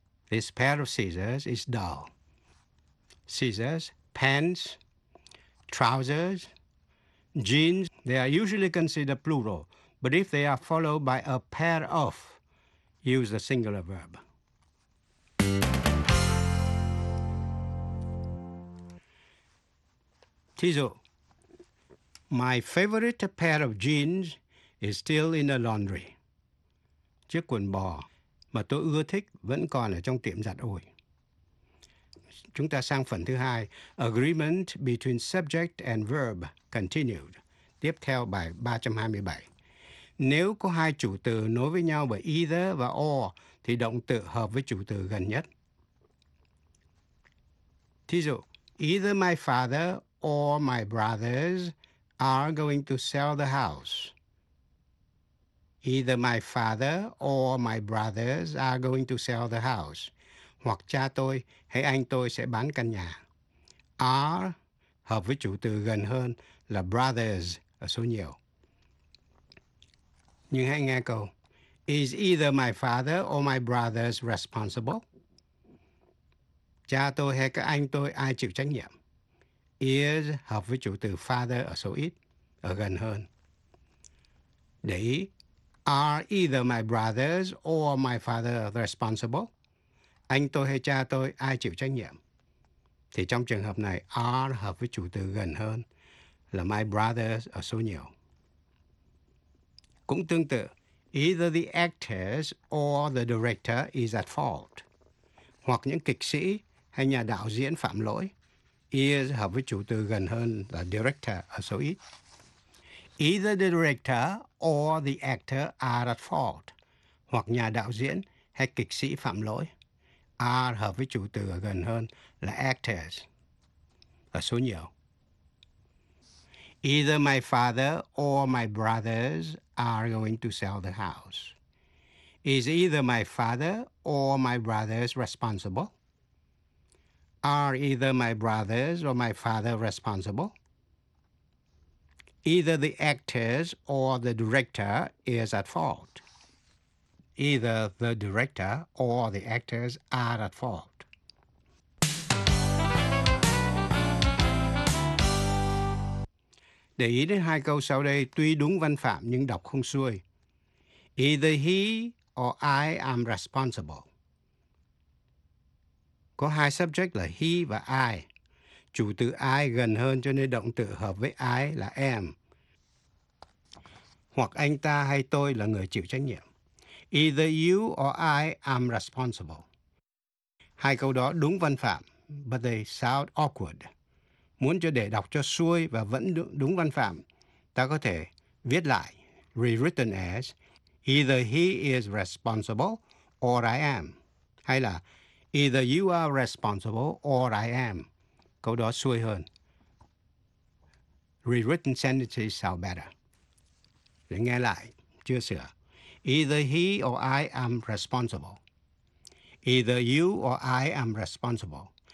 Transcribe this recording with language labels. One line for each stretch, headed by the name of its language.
English: This pair of scissors is dull. Scissors, pants, trousers, jeans, they are usually considered plural. But if they are followed by a pair of, use the singular verb.
Vietnamese: Thí dụ.
English: My favorite pair of jeans is still in the laundry.
Vietnamese: Chiếc quần bò mà tôi ưa thích vẫn còn ở trong tiệm giặt ủi. Chúng ta sang phần thứ hai.
English: Agreement between subject and verb continued.
Vietnamese: Tiếp theo bài 327. Nếu có hai chủ từ nối với nhau bởi either và or, thì động từ hợp với chủ từ gần nhất. Thí dụ,
English: either my father or my brothers are going to sell the house. Either my father or my brothers are going to sell the house.
Vietnamese: Hoặc cha tôi hay anh tôi sẽ bán căn nhà. Are hợp với chủ từ gần hơn là brothers ở số nhiều. Nhưng hãy nghe câu.
English: Is either my father or my brothers responsible?
Vietnamese: Cha tôi hay các anh tôi ai chịu trách nhiệm? Is hợp với chủ từ father ở số ít, ở gần hơn. Để ý.
English: Are either my brothers or my father responsible?
Vietnamese: Anh tôi hay cha tôi ai chịu trách nhiệm? Thì trong trường hợp này, are hợp với chủ từ gần hơn là my brothers ở số nhiều. Cũng tương tự,
English: either the actors or the director is at fault.
Vietnamese: Hoặc những kịch sĩ hay nhà đạo diễn phạm lỗi. Is hợp với chủ từ gần hơn là director ở số ít.
English: Either the director or the actor are at fault.
Vietnamese: Hoặc nhà đạo diễn hay kịch sĩ phạm lỗi. Are hợp với chủ từ gần hơn là actors ở số nhiều.
English: Either my father or my brothers are going to sell the house. Is either my father or my brothers responsible? Are either my brothers or my father responsible? Either the actors or the director is at fault. Either the director or the actors are at fault.
Vietnamese: Để ý đến hai câu sau đây, tuy đúng văn phạm nhưng đọc không xuôi.
English: Either he or I am responsible.
Vietnamese: Có hai subject là he và I. Chủ từ I gần hơn cho nên động từ hợp với I là am. Hoặc anh ta hay tôi là người chịu trách nhiệm.
English: Either you or I am responsible.
Vietnamese: Hai câu đó đúng văn phạm,
English: but they sound awkward.
Vietnamese: Muốn cho để đọc cho xuôi và vẫn đúng văn phạm, ta có thể viết lại,
English: rewritten as, either he is responsible or I am. Hay là, either you are responsible or I am.
Vietnamese: Câu đó xuôi hơn.
English: Rewritten sentences sound better.
Vietnamese: Để nghe lại, chưa sửa.
English: Either he or I am responsible. Either you or I am responsible.